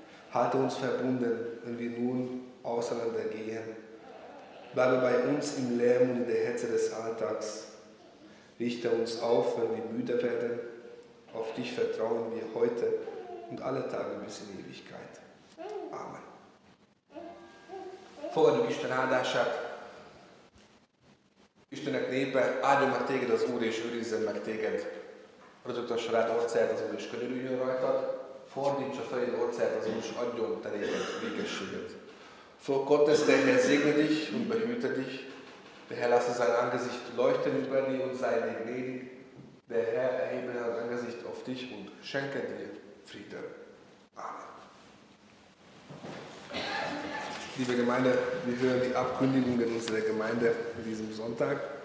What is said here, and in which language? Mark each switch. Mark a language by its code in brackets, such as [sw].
[de] Halte uns verbunden, wenn wir nun auseinander gehen. Bleibe bei uns im Lärm und in der Hetze des Alltags. Richte uns auf, wenn wir müde werden. Auf dich vertrauen wir heute und alle Tage bis in Ewigkeit. Amen. [hu] Fogadjuk Isten áldását. Istenek népe, áldjon meg téged az Úr és őrizzen meg téged. Ragyogtassa rád orcáját az Úr és könyörüljön rajtad. Fordítsa fel egy orcáját az Úr és adjon te néked békességet. [de] Fog Gottes, der Herr segne dich und behüte dich. Der Herr lasse sein Angesicht leuchten über dir und sei dir gnädig. Der Herr erhebe sein Angesicht auf dich und schenke dir Frieden. Amen. Liebe Gemeinde, wir hören die Abkündigung in unserer Gemeinde an diesem Sonntag.